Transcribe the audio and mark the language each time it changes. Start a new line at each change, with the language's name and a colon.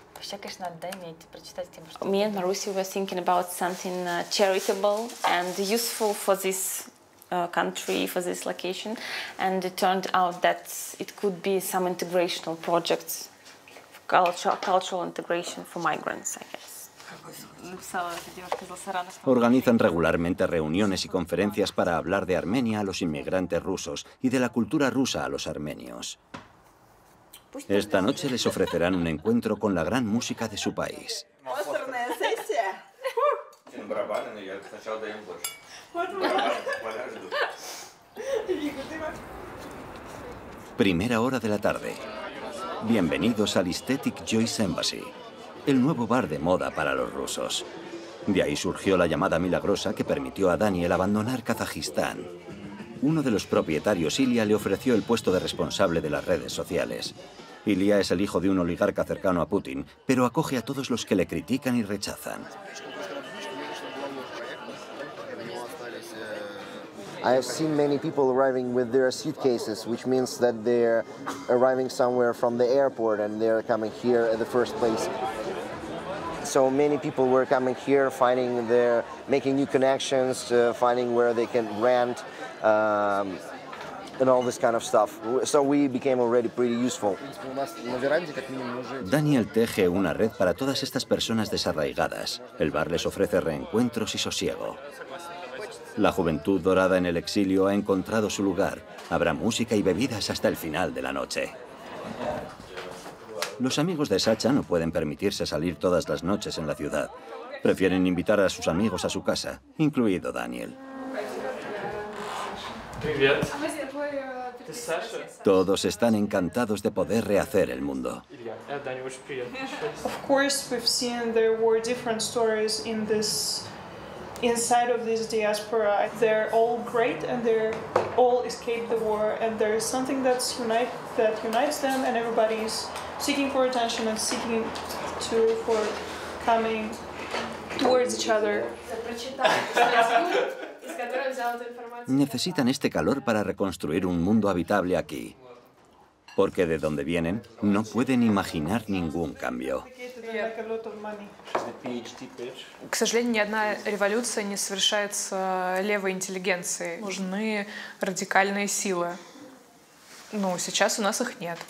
Russian: Вообще, конечно, надо иметь, прочитать тем, что...
English: Me and Marusia were thinking about something charitable and useful for this country, for this location. And it turned out that it could be some integrational projects, cultural integration for migrants, I guess.
Spanish: Organizan regularmente reuniones y conferencias para hablar de Armenia a los inmigrantes rusos y de la cultura rusa a los armenios. Esta noche les ofrecerán un encuentro con la gran música de su país. Primera hora de la tarde. Bienvenidos al Aesthetic Joyce Embassy, el nuevo bar de moda para los rusos. De ahí surgió la llamada milagrosa que permitió a Daniel abandonar Kazajistán. Uno de los propietarios, Ilya, le ofreció el puesto de responsable de las redes sociales. Ilya es el hijo de un oligarca cercano a Putin, pero acoge a todos los que le critican y rechazan.
English: I have seen many people arriving with their suitcases, which means that they're arriving somewhere from the airport and they're coming here at the first place. So many people were coming here, finding their, making new connections, finding where they can rent, and all this kind of stuff. So we became already pretty useful.
Spanish: Daniel teje una red para todas estas personas desarraigadas. El bar les ofrece reencuentros y sosiego. La juventud dorada en el exilio ha encontrado su lugar. Habrá música y bebidas hasta el final de la noche. Los amigos de Sacha no pueden permitirse salir todas las noches en la ciudad. Prefieren invitar a sus amigos a su casa, incluido Daniel. Todos están encantados de poder rehacer el mundo.
English: Of course, we've seen there were different stories in this, inside of this diaspora. They're all great and they're all escaped the war, and there is something that's that unites them, and everybody's seeking for attention and seeking to for coming towards each other.
Spanish: Necesitan este calor para reconstruir un mundo habitable aquí, porque de donde vienen no pueden imaginar ningún cambio.
Russian: К сожалению, ни одна революция не совершается левой интеллигенцией. Нужны радикальные силы. Ну, сейчас у нас их нет.